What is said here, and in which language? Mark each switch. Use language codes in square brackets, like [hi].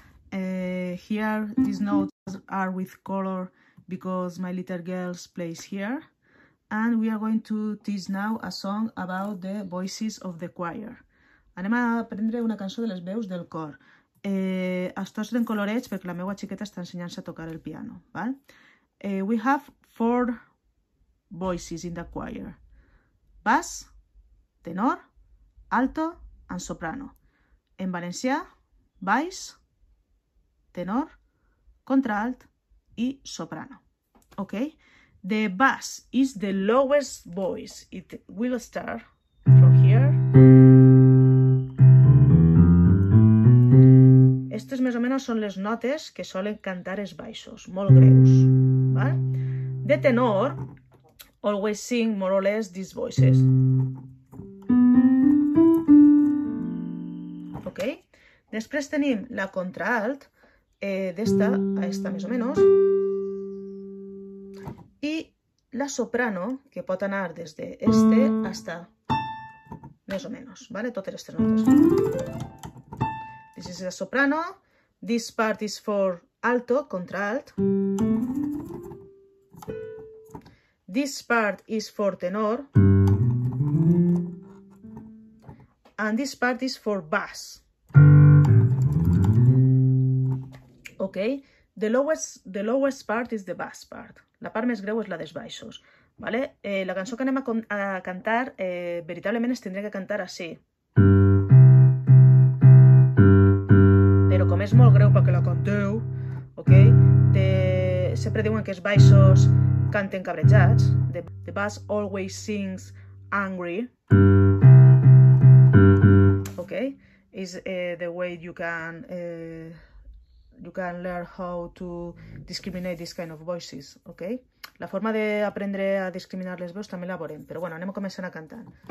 [en] Here, these notes are with color because my little girls plays here. And we are going to teach now a song about the voices of the choir. [ca] Anem a aprendre una cançó de les veus del cor. Estàs en colorets perquè la meva xiqueta està ensenyant-se a tocar el piano. [en] Val? We have four voices in the choir. Bass, tenor, alto and soprano. [ca] En valencià, baix, tenor, contralt i soprano. Ok? [en] The bass is the lowest voice. It will start from here. [ca] Estes més o menys són les notes que solen cantar els baixos, molt greus. Va? De tenor, [en] always sing more or less these voices. Ok? [ca] Després tenim la contralt, d'esta a esta més o menys, i la soprano, que pot anar des d'este a esta, més o menys, vale? Totes les tres notes. [en] This is the soprano, this part is for alto, contralt. This part is for tenor. And this part is for bass. Okay? The lowest part is the bass part. [ca] La part més greu és la dels baixos. Vale? La cançó que anem a cantar, veritablement es tindria que cantar així. Però com és molt greu perquè la canteu, okay? Sempre diuen que els baixos canten cabrejats. [en] The bass always sings angry. Okay? Is the way you can learn how to discriminate this kind of voices, okay? [ca] La forma de aprendre a discriminar les veus també la veurem, però bueno, anem a començar a cantar.